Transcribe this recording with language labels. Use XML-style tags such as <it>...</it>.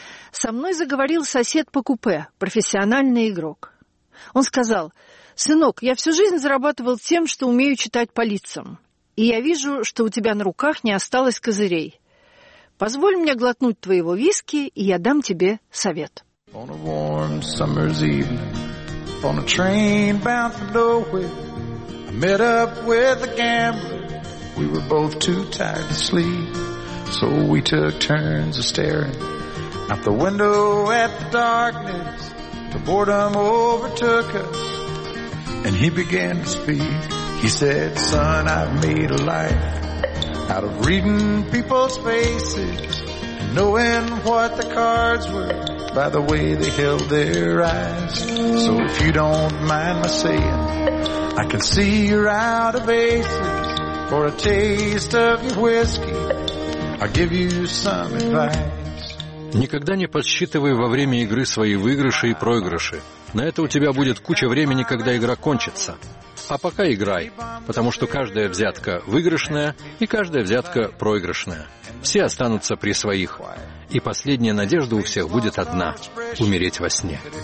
<ru>Со мной заговорил сосед по купе, профессиональный игрок. Он сказал: «Сынок, я всю жизнь зарабатывал тем, что умею читать по лицам. И я вижу, что у тебя на руках не осталось козырей. Позволь мне глотнуть твоего виски, и я дам тебе совет».</ru> <en>On a warm summer's evening, on a train bound for nowhere, I met up with a gambler. We were both too tired to sleep, so we took turns of staring out the window at the darkness. The boredom overtook us, and he began to speak. He said, son, I've made a life out of reading people's faces and knowing what the cards were by the way they held their eyes. So if you don't mind my saying, I can see you're out of aces. For a taste of your whiskey, I'll give you some advice.</en> <ru>Никогда не подсчитывай во время игры свои выигрыши и проигрыши. На это у тебя будет куча времени, когда игра кончится. А пока играй, потому что каждая взятка выигрышная и каждая взятка проигрышная. Все останутся при своих. И последняя надежда у всех будет одна — умереть во сне.</ru>